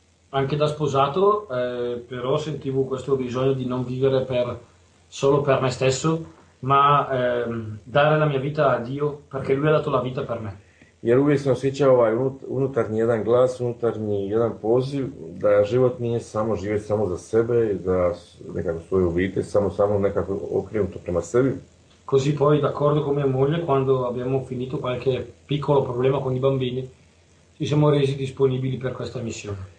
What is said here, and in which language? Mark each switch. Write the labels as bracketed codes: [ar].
[it] Anche da sposato, però sentivo questo bisogno di non vivere solo per me stesso, ma dare la mia vita a Dio, perché Lui ha dato la vita per me. [hr] Jer uvijek sam osjećao ovaj unutarnji jedan glas, unutarnji jedan poziv, da život nije samo živjeti samo za sebe, za nekako svoju obitelj, samo nekako okrenuto prema sebi. [it] Così poi, d'accordo con mia moglie, quando abbiamo finito qualche piccolo problema con i bambini, ci siamo resi disponibili per questa missione.